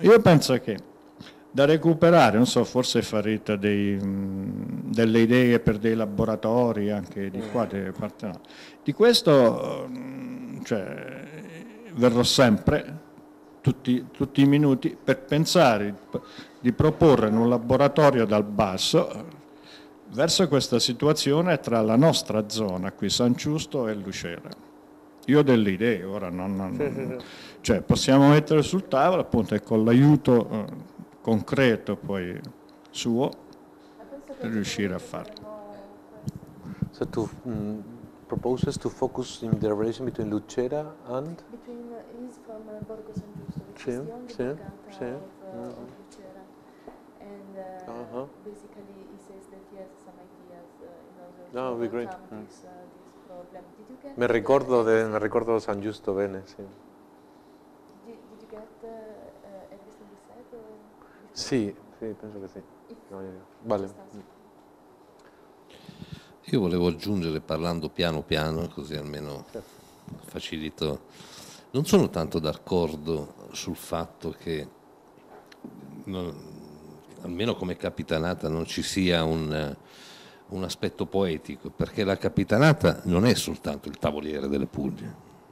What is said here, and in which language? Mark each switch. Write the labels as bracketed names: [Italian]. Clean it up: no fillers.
[Italian] Io penso che da recuperare, non so, forse farete delle idee per dei laboratori anche di qua, di questo, cioè, verrò sempre, tutti i minuti, per pensare di proporre in un laboratorio dal basso verso questa situazione tra la nostra zona, qui San Giusto e Lucera. Io ho delle idee, ora cioè, possiamo mettere sul tavolo, appunto, e con l'aiuto concreto poi suo, per riuscire a farlo. [English] So tu proposes to focus in the relation between Lucera and between is from Borgo San Giusto, which is the only sì, Lucera. And basically he says that he has some ideas in order to overcome this problem. Did you get [Italian] me ricordo San Giusto bene, sì. [English] Did you get everything you said? [Italian] Sì, penso che sì. Vale. Io volevo aggiungere, parlando piano piano, così almeno facilito, non sono tanto d'accordo sul fatto che, almeno come capitanata, non ci sia un aspetto poetico, perché la capitanata non è soltanto il tavoliere delle Puglie.